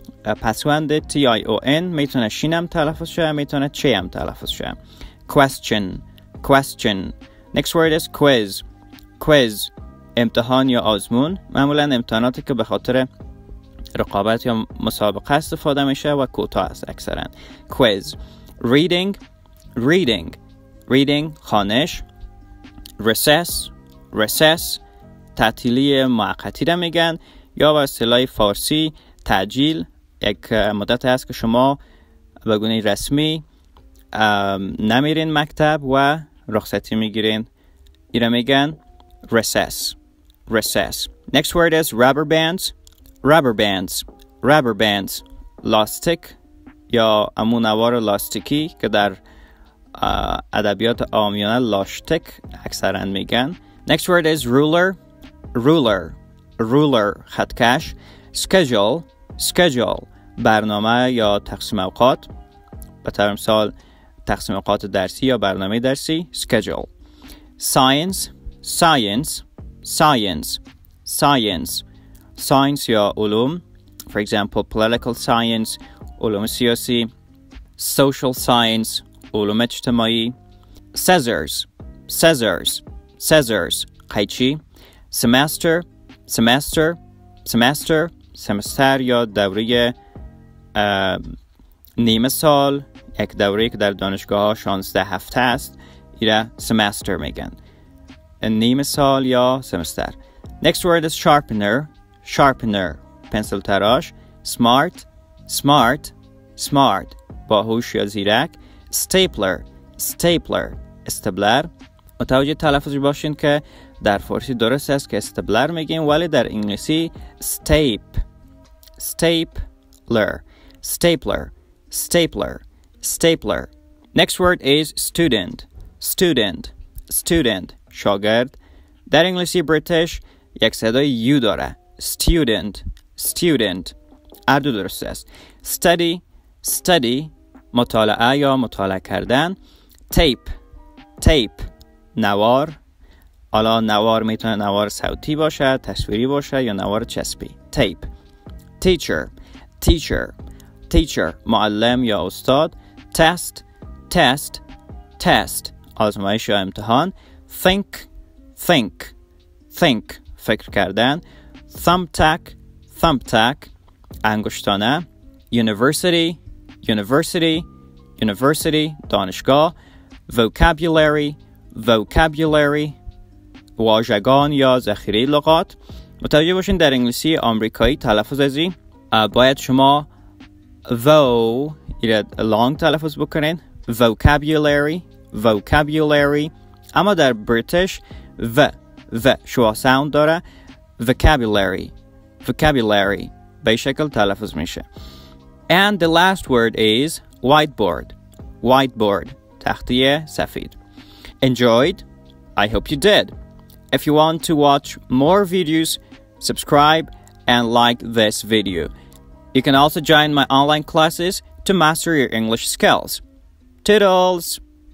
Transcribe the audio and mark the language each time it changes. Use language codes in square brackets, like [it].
[fa] پسوند TION میتونه شین هم تلفظ شه، میتونه چه هم تلفظ شه. [en] question question. next word is quiz. [fa] quiz امتحان یا آزمون، معمولا امتحاناتی که به خاطر رقابت یا مسابقه استفاده میشه و کوتاه است اکثرا. [en] quiz. reading reading reading خانش. [fa] recess recess تعطیلی موقتی را میگن، یا به اصطلاح فارسی تعجیل، یک مدت هست که شما به گونه رسمی نمیرین مکتب و رخصتی میگیرین، این را میگن recess. [en] recess. next word is rubber bands. [fa] rubber bands rubber bands لاستیک یا امو نوار لاستیکی که در ادبیات عامیانه لاستیک اکثرا میگن. [en] next word is ruler. ruler ruler خطکش. [fa] schedule schedule برنامه یا تقسیم اوقات، به طور مثال تقسیم اوقات درسی یا برنامه درسی. [en] schedule. science science science science science [fa] یا علوم، [en] for example political science [fa] علوم سیاسی. [en] social science [fa] علوم اجتماعی. [en] scissors scissors scissors قیچی. [fa] semester semester semester سمستر یا دوره نیمه سال، یک دوره که در دانشگاه ها 16 هفته است، این سمستر میگن، نیمه سال یا سمستر. [en] next word is sharpener. sharpener [fa] پنسل تراش. [en] smart smart smart [fa] باهوش یا زیرک. [en] stapler stapler stapler. [fa] متوجه تلفظی باشین که در فارسی درست است که استبلر میگیم، ولی در انگلیسی استیپ استیپلر استیپلر استیپلر استیپلر. [en] next word is student. student student شاگرد. [fa] در انگلیسی بریتیش یک صدای یو داره، student student، هر دو درست است. study study مطالعه یا مطالعه کردن. tape tape نوار، حالا نوار میتونه نوار صوتی باشه، تصویری باشه یا نوار چسبی. تیپ. [en] teacher teacher teacher [fa] معلم یا استاد. [en] test test test [fa] آزمایش یا امتحان. [en] think think think [fa] فکر کردن. [en] thumbtack thumbtack انگشتانه. university university university دانشگاه. [fa] vocabulary vocabulary واژگان یا ذخیره لغات. متوجه باشین در انگلیسی آمریکایی تلفظ ازی باید شما vo یا long تلفظ بکنین، vocabulary vocabulary، اما در بریتیش و و شوا ساوند داره، vocabulary vocabulary به شکل تلفظ میشه. [en] and the last word is whiteboard. [fa] whiteboard تختیه سفید. [en] enjoyed. I hope you did. If you want to watch more videos, subscribe and like this video. You can also join my online classes to master your English skills. Toodles!